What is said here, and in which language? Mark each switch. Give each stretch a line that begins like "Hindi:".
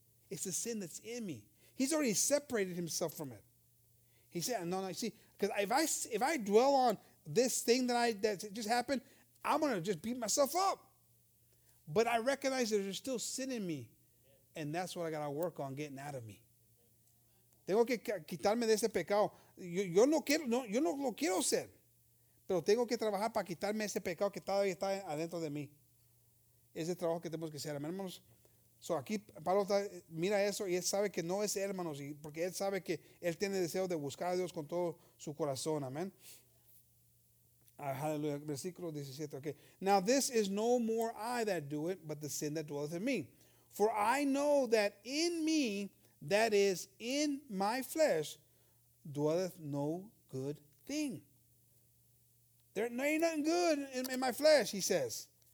English: It's the sin that's in me. He's already separated himself from it. He said, no, see, because if I dwell on this thing that just happened, I'm going to just beat myself up. But I recognize that there's still sin in me, and that's what I got to work on getting out of me.
Spanish: Tengo que quitarme de ese pecado. Yo no lo quiero hacer, pero tengo que trabajar para quitarme ese pecado que todavía está adentro de mí. Ese trabajo que tenemos que hacer, hermanos. So aquí Pablo mira eso y él sabe que no es él, hermanos, porque él sabe que él tiene deseo de buscar a Dios con todo su corazón. Amén. Aleluya. Versículo 17. Okay.
English: Now this is no more I that do it, but the sin that dwelleth in me. For I know that in me, that is in my flesh, dwelleth no good thing. There ain't nothing good in my flesh, he says.